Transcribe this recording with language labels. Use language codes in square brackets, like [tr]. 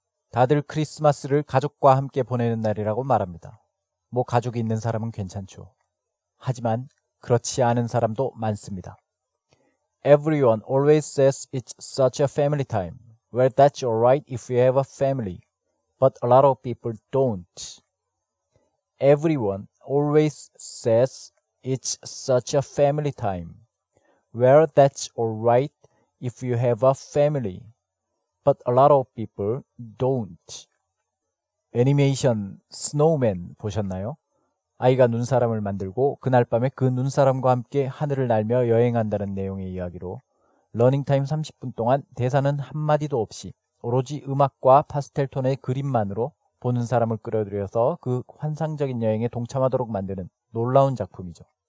[ko] 다들 크리스마스를 가족과 함께 보내는 날이라고 말합니다. 뭐 가족이 있는 사람은 괜찮죠. 하지만 그렇지 않은 사람도 많습니다. [en] Everyone always says it's such a family time. Well, that's alright if you have a family. But a lot of people don't. Everyone always says it's such a family time. Well, that's alright if you have a family. But a lot of people don't. [ko] 애니메이션 스노우맨 보셨나요? 아이가 눈사람을 만들고 그날 밤에 그 눈사람과 함께 하늘을 날며 여행한다는 내용의 이야기로 러닝타임 30분 동안 대사는 한마디도 없이 오로지 음악과 파스텔톤의 그림만으로 보는 사람을 끌어들여서 그 환상적인 여행에 동참하도록 만드는 놀라운 작품이죠.